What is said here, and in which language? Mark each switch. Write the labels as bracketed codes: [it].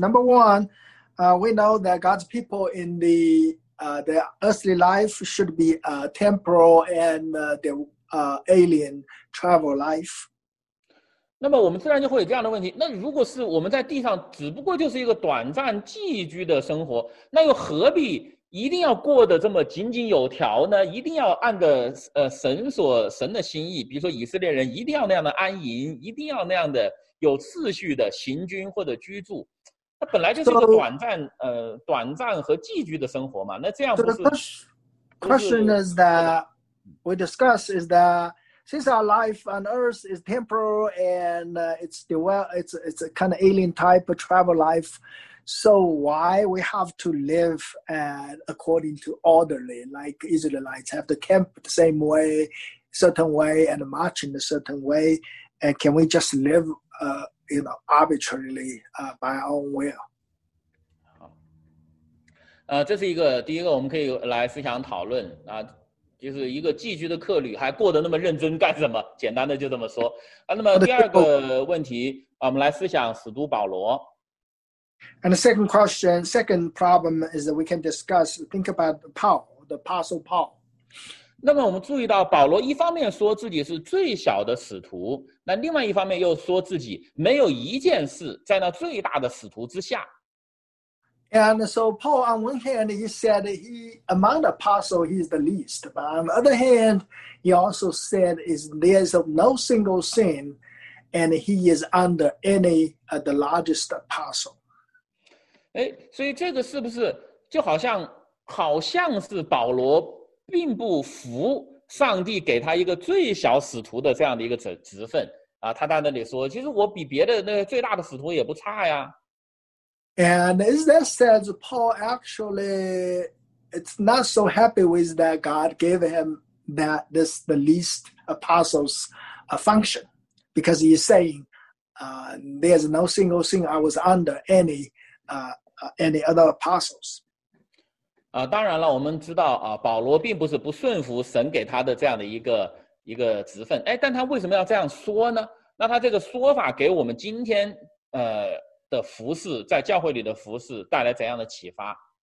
[en] Number one, we know that God's people in the their earthly life should be temporal and the alien travel life. [zh] 那么我们自然就会有这样的问题，那如果是我们在地上只不过就是一个短暂寄居的生活，那又何必一定要过得这么井井有条呢？一定要按着神的心意，比如说以色列人一定要那样的安营，一定要那样的有次序的行军或者居住，那本来就是一个短暂和寄居的生活嘛，那这样不是 [en] question is that we discuss is thatSince our life on earth is temporal and it's a kind of alien type of travel life, so why we have to live according to orderly, like Israelites have to camp the same way, certain way, and march in a certain way, and can we just live arbitrarily by our own will? [zh] 这是第一个我们可以来思想讨论啊。就是一个寄居的客旅还过得那么认真干什么，简单的就这么说。那么第二个问题我们来思想使徒保罗。 [en] And the second question, second problem is that we can discuss, think about Paul, the Apostle Paul. [zh] 那么我们注意到保罗一方面说自己是最小的使徒，那另外一方面又说自己没有一件事在那最大的使徒之下。 [en] And so Paul, on one hand, he said he among the apostles, he's the least. But on the other hand, he also said is there is no single sin, and he is under any the largest apostle. [zh] 哎，所以这个是不是就好像好像是保罗并不服上帝给他一个最小使徒的这样的一个职分啊？他在那里说，其实我比别的那个最大的使徒也不差呀。 [en] And is that says Paul actually it's not so happy with that God gave him that this the least apostles function because he's saying there's no single thing I was under any other apostles. [zh] 当然了，我们知道啊，保罗并不是不顺服神给他的这样的一个职分。哎，但他为什么要这样说呢？那他这个说法给我们今天的服事在教会里的服事带来怎样的启发